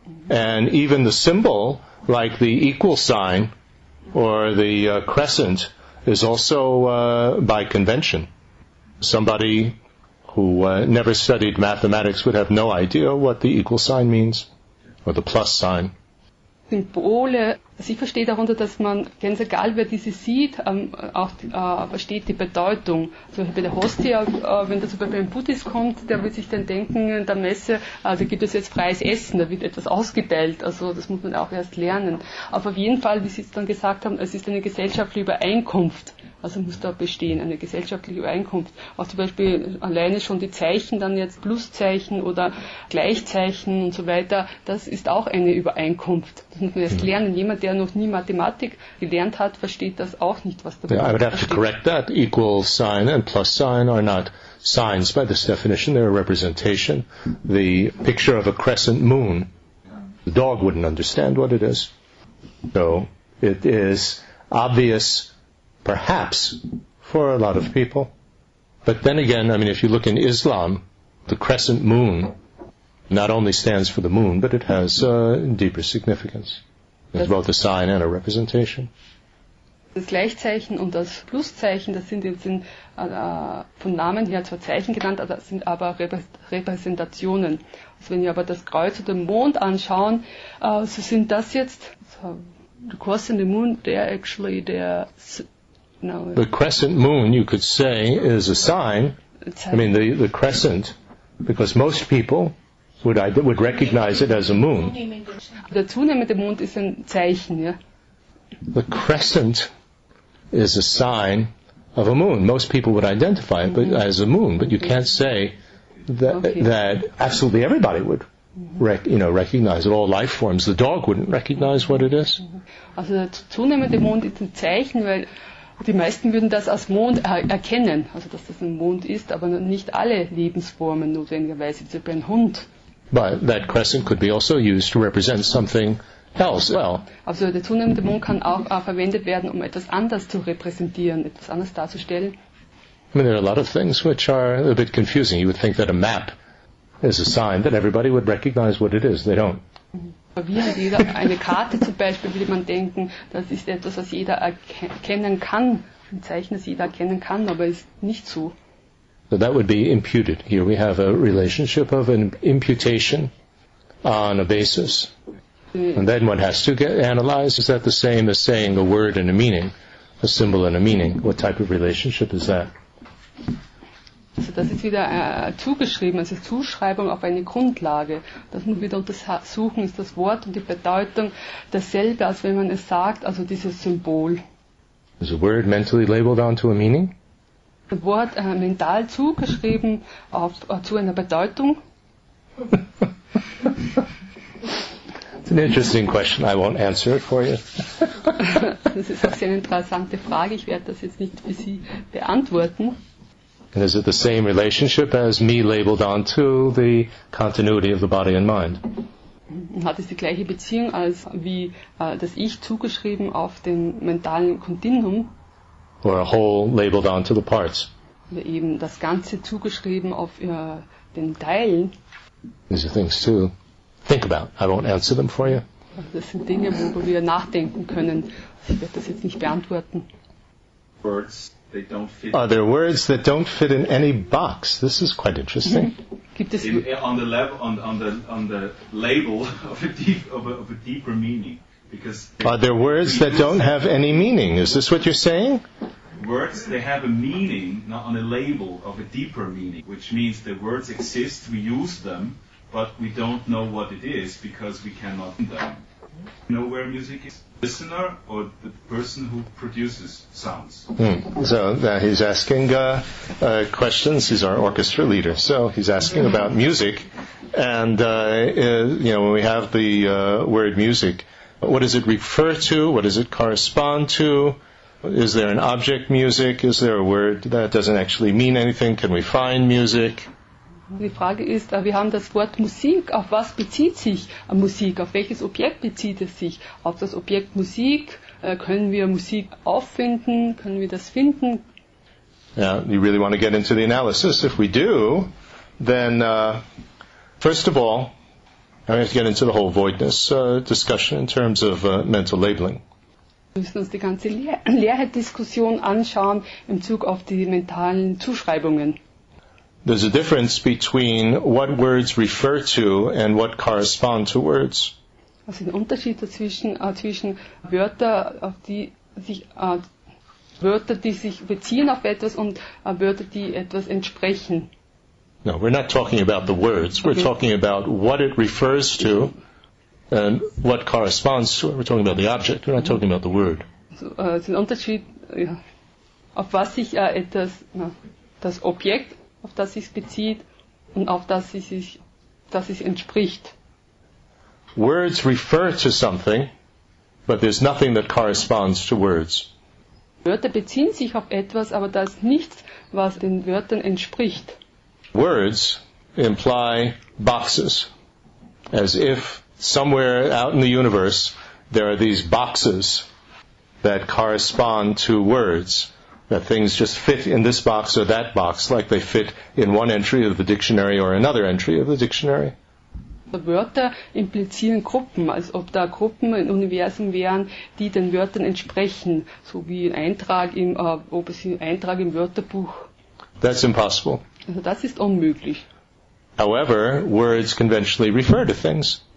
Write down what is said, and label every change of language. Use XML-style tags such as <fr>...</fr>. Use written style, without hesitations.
<en>And even the symbol, like the equal sign or the crescent, is also by convention. Somebody who never studied mathematics would have no idea what the equal sign means or the plus sign.</en> <de>Symbole, also ich verstehe darunter, dass man, ganz egal wer diese sieht, auch versteht die Bedeutung. Also bei der Hostie, wenn da zum Beispiel ein Buddhist kommt, der wird sich dann denken, in der Messe, also gibt es jetzt freies Essen, da wird etwas ausgeteilt, also das muss man auch erst lernen. Aber auf jeden Fall, wie Sie es dann gesagt haben, es ist eine gesellschaftliche Übereinkunft, also muss da bestehen, eine gesellschaftliche Übereinkunft. Auch zum Beispiel alleine schon die Zeichen, dann jetzt Pluszeichen oder Gleichzeichen und so weiter, das ist auch eine Übereinkunft. Das muss man erst lernen. Jemand, der noch nie Mathematik gelernt hat, versteht das auch nicht, was da</de> <en>I would have to correct that. Equal sign and plus sign are not signs by this definition. They're a representation. The picture of a crescent moon. The dog wouldn't understand what it is. So it is obvious, perhaps, for a lot of people. But then again, I mean, if you look in Islam, the crescent moon not only stands for the moon, but it has deeper significance. It's both a sign and a representation.</en> <de>Das Gleichzeichen und das Pluszeichen, das sind jetzt vom Namen her zwar Zeichen genannt, aber das sind aber Repräsentationen. Also wenn wir aber das Kreuz oder den Mond anschauen, so sind das jetzt, so,</de> <en>the crescent moon, they're actually their... The crescent moon, you could say, is a sign. I mean, the crescent, because most people would recognize it as a moon.</en> <de>Der zunehmende Mond ist ein Zeichen, ja.</de> <en>The crescent is a sign of a moon. Most people would identify it as a moon, but you can't say that absolutely everybody would. Recognize it, all life forms. The dog wouldn't recognize what it is.</en> <de>Also der zunehmende Mond ist ein Zeichen, weil die meisten würden das als Mond erkennen, also dass das ein Mond ist, aber nicht alle Lebensformen notwendigerweise, wie ein Hund.</de> <en>But that crescent could be also used to represent something else. Well,</en> <de>also der zunehmende Mond kann auch verwendet werden, um etwas anders zu repräsentieren, etwas anders darzustellen.</de> <en>I mean, there are a lot of things which are a bit confusing. You would think that a map is a sign that everybody would recognize what it is. They don't.</en> <de>Eine Karte zum Beispiel würde man denken, das ist etwas, was jeder erkennen kann, ein Zeichen, das jeder erkennen kann, aber ist nicht so.</de> <en>So that would be imputed. Here we have a relationship of an imputation on a basis. And then one has to get analyzed. Is that the same as saying a word and a meaning, a symbol and a meaning? What type of relationship is that?</en> <de>Also das ist wieder zugeschrieben, also Zuschreibung auf eine Grundlage. Das muss man wieder untersuchen, ist das Wort und die Bedeutung dasselbe, als wenn man es sagt, also dieses Symbol.</de> <en>Is a word mentally labeled onto a meaning?</en> <de>Das Wort mental zugeschrieben zu einer Bedeutung?</de> <en>It's an interesting question, I won't answer it for you.</en> <de>Das ist auch eine interessante Frage, ich werde das jetzt nicht für Sie beantworten.</de> <en>And is it the same relationship as me labeled onto the continuity of the body and mind?</en> <de>Hat es die gleiche Beziehung als wie das Ich zugeschrieben auf den mentalen Kontinuum?</de> <en>Or a whole labeled onto the parts?</en> <de>Eben das Ganze zugeschrieben auf den Teilen.</de> <en>These are things to think about. I won't answer them for you.</en> <de>Also das sind Dinge, worüber wir nachdenken können. Ich werde das jetzt nicht beantworten.</de> <en>Words, they don't fit. Are there words that don't fit in any box? This is quite interesting.</en> <de>Gibt es</de> <en>on the label of a deeper meaning? Because are there words that don't have any meaning? Is this what you're saying? Words, they have a meaning, not on a label of a deeper meaning, which means the words exist, we use them, but we don't know what it is because we cannot find them. You know where music is? The listener or the person who produces sounds? So he's asking questions. He's our orchestra leader. So he's asking about music. And, you know, when we have the word music, what does it refer to? What does it correspond to? Is there an object music? Is there a word that doesn't actually mean anything? Can we find music?</en> <de>Die Frage ist, wir haben das Wort Musik, auf was bezieht sich Musik, auf welches Objekt bezieht es sich? Auf das Objekt Musik, können wir Musik auffinden, können wir das finden?</de> <en>Yeah, you really want to get into the analysis. If we do, then first of all, I have to get into the whole voidness discussion in terms of mental labeling.</en> <de>Wir müssen uns die ganze Leerheit-Diskussion anschauen im Zug auf die mentalen Zuschreibungen.</de> <en>There's a difference between what words refer to and what correspond to words.</en> <de>Also ein Unterschied dazwischen zwischen Wörter, auf die sich Wörter, die sich beziehen auf etwas und Wörter, die etwas entsprechen.</de> <en>No, we're not talking about the words. We're talking about what it refers to and what corresponds to it. We're talking about the object. We're not talking about the word.</en> <de>Also es ist ein Unterschied, ja, auf was sich etwas, na, das Objekt, auf das sich bezieht und auf das sie sich, das es entspricht.</de> <en>Words refer to something, but there's nothing that corresponds to words.</en> <de>Wörter beziehen sich auf etwas, aber da ist nichts, was den Wörtern entspricht.</de> <en>Words imply boxes, as if somewhere out in the universe there are these boxes that correspond to words. That things just fit in this box or that box, like they fit in one entry of the dictionary or another entry of the dictionary.</en> <de>Wörter implizieren Gruppen, als ob da Gruppen im Universum wären, die den Wörtern entsprechen, so wie ein Eintrag im, ob es ein Eintrag im Wörterbuch.</de> <en>That's impossible.</en> <de>Also das ist unmöglich.</de> <en>However, words conventionally refer to things.</en>